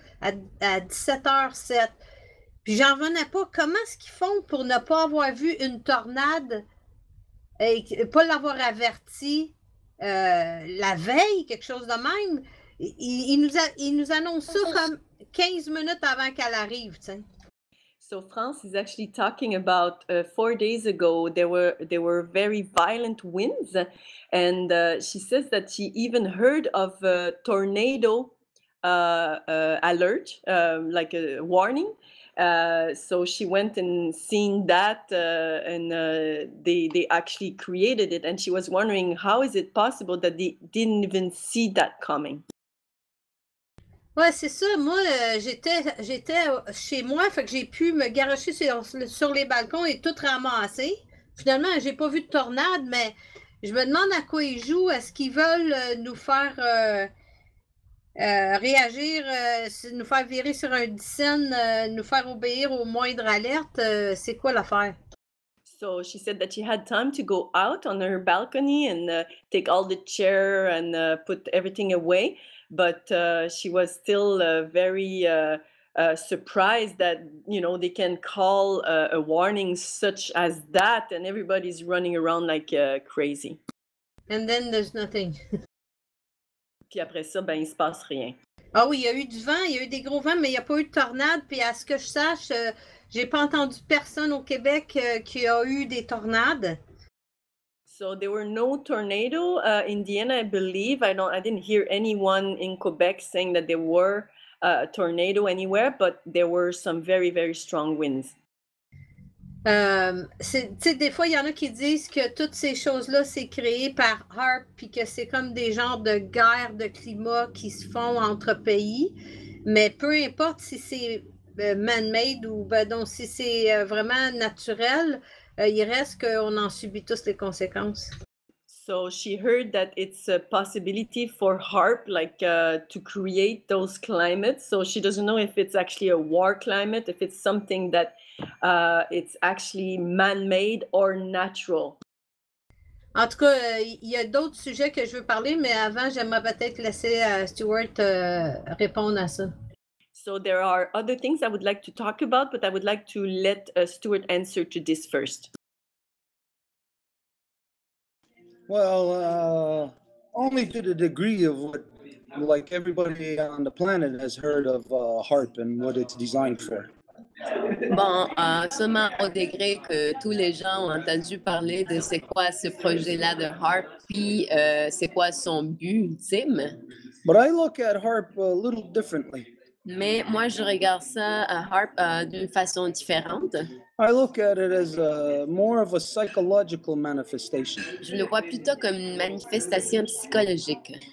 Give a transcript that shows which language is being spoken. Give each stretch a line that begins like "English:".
French: À 17h07. Puis j'en venais pas. Comment est-ce qu'ils font pour ne pas avoir vu une tornade et pas l'avoir averti la veille, quelque chose de même? Il nous annonce ça comme 15 minutes avant qu'elle arrive, tu sais.
English: So France is actually talking about 4 days ago, there were very violent winds. And she says that she even heard of a tornado alert, like a warning. So she went and seen that, and they actually created it. And she was wondering, how is it possible that they didn't even see that coming?
French: Ouais, c'est ça. Moi, j'étais chez moi, fait que j'ai pu me garocher sur les balcons et tout ramasser. Finalement, j'ai pas vu de tornade, mais je me demande à quoi ils jouent. Est-ce qu'ils veulent nous faire réagir, nous faire virer sur un dixaine, nous faire obéir aux moindres alertes, c'est quoi l'affaire?
English: So she said that she had time to go out on her balcony and take all the chair and put everything away, but she was still very surprised that, you know, they can call a warning such as that and everybody's running around like crazy. And then there's nothing.
French: Puis après ça, ben il se passe rien. Ah oui, il y a eu du vent, il y a eu des gros vents, mais il n'y a pas eu de tornade. Puis à ce que je sache, j'ai pas entendu personne au Québec qui a eu des tornades.
English: So there were no tornado in Indiana, I believe. I didn't hear anyone in Quebec saying that there were a tornado anywhere, but there were some very, very strong winds.
French: T'sais, des fois, il y en a qui disent que toutes ces choses-là, c'est créé par HARP, puis que c'est comme des genres de guerres de climat qui se font entre pays. Mais peu importe si c'est man-made ou si c'est vraiment naturel, il reste qu'on en subit tous les conséquences.
English: So she heard that it's a possibility for HARP, like to create those climates. So she doesn't know if it's actually a war climate, if it's something that it's actually man-made or natural.
French: En tout cas, il y a d'autres sujets que je veux parler, mais avant, j'aimerais peut-être laisser Stuart répondre à ça.
English: So there are other things I would like to talk about, but I would like to let Stuart answer to this first. Well, only to the degree of what, like, everybody on the planet has heard of HARP and what it's designed for.
French: Bon, seulement au degré que tous les gens ont entendu parler de c'est quoi ce projet-là de HARP, puis c'est quoi son but ultime.
English: But I look at HARP a little differently.
French: Mais moi, je regarde ça à HARP d'une façon différente.
English: I look at it as more of a psychological manifestation.
French: Je le vois plutôt comme une manifestation psychologique.